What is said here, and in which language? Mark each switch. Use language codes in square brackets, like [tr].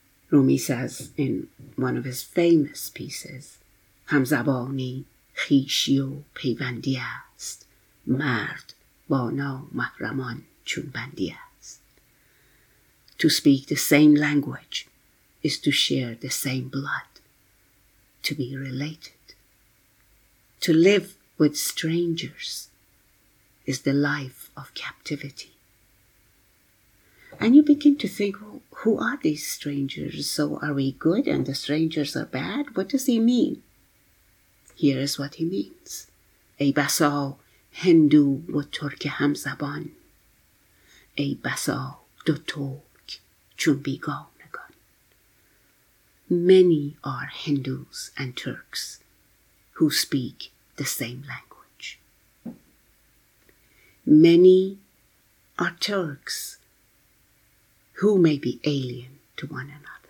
[en] Rumi says in one of his famous pieces, [fa] همزبانی خیشی و پیوندی است، مرد با نامحرمان چون بندی است. [en] To speak the same language is to share the same blood, to be related, to live with strangers is the life of captivity. And you begin to think, well, who are these strangers? So are we good and the strangers are bad? What does he mean? Here is what he means. [fa] ای بسا هندو و ترک همزبان، ای بسا دو ترک چون بیگانگان. [en] Many are Hindus and Turks who speak the same language. Many are Turks who may be alien to one another.